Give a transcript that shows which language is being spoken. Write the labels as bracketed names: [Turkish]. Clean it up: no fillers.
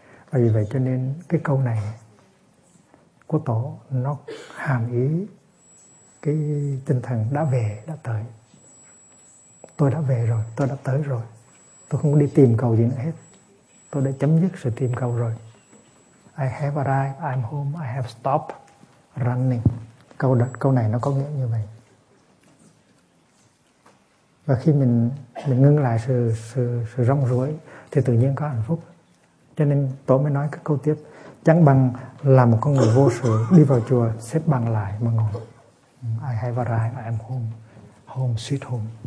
[Vietnamese] Và vì vậy cho nên cái câu này của Tổ nó hàm ý cái tinh thần đã về, đã tới. Tôi đã về rồi, tôi đã tới rồi. Tôi không có đi tìm cầu gì nữa hết. Tôi đã chấm dứt sự tìm cầu rồi. [English] I have arrived, I'm home, I have stopped running. [Vietnamese] Câu này nó có nghĩa như vậy. Và khi mình ngưng lại sự rong ruổi thì tự nhiên có hạnh phúc. Cho nên Tổ mới nói cái câu tiếp: chẳng bằng là một con người vô sự đi vào chùa xếp bằng lại mà ngồi. [English] I have arrived, I am home, home sweet home.